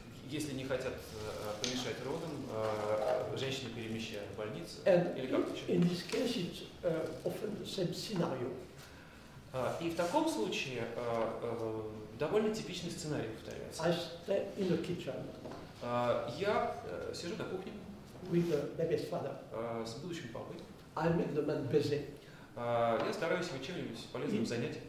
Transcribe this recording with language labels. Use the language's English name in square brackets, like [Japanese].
[Russian] Если не хотят помешать родам, женщины перемещают в больницу. [English] And [Russian] или как-то еще. [English] In this case it's often the same scenario. [Russian] И в таком случае довольно типичный сценарий повторяется. [English] I stay in the kitchen. [Russian] Я сижу на кухне. [English] With the baby's father. [Russian] С будущим папой. [English] I make the man busy. [Russian] Я стараюсь его чем-нибудь полезным занять.